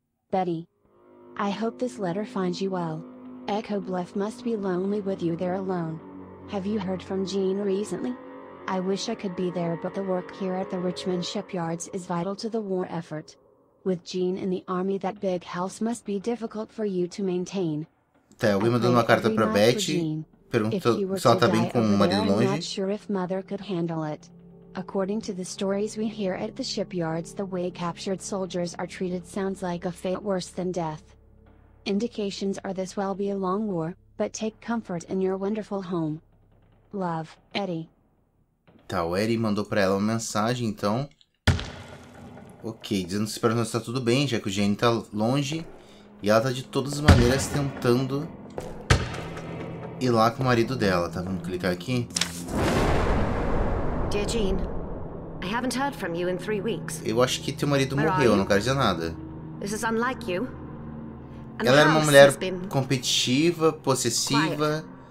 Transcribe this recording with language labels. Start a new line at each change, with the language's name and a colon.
English: Betty, I hope this letter finds you well. Echo Bluff must be lonely with you there alone. Have you heard from Jean recently? I wish I could be there, but the work here at the Richmond Shipyards is vital to the war effort. With Jean in the army, that big house must be difficult for you to maintain.
Portuguese: Tá, alguém mandando uma carta pra Betty, perguntando se ela tá bem com o marido longe.
English: I'm not sure if Mother could handle it. According to the stories we hear at the shipyards, the way captured soldiers are treated sounds like a fate worse than death. Indications are this will be a long war, but take comfort in your wonderful home. Love, Eddie.
Portuguese: Tá, o Eddie mandou pra ela uma mensagem, então. Ok, dizendo que espero que está tudo bem, já que o Jane tá longe. E ela tá de todas as maneiras tentando ir lá com o marido dela, tá? Vamos clicar aqui.
English: Dear Jean, I haven't heard from you in 3 weeks.
Portuguese: Eu acho que teu marido morreu, não quero dizer nada.
English: This is unlike you.
Portuguese: Ela era uma mulher competitiva, possessiva.